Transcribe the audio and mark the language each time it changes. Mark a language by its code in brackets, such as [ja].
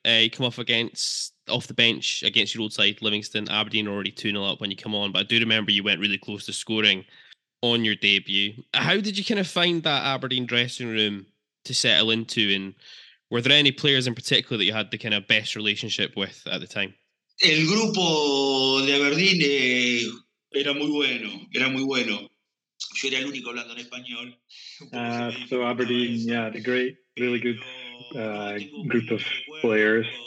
[en] You come off the bench against your old side, Livingston. Aberdeen already 2-0 up when you come on, but I do remember you went really close to scoring on your debut. How did you kind of find that Aberdeen dressing room to settle into, and were there any players in particular that you had the kind of best relationship with at the time? [es] El grupo de Aberdeen era muy bueno, era muy bueno. Yo era el único hablando en español. [en] So Aberdeen, the great, really good group of players.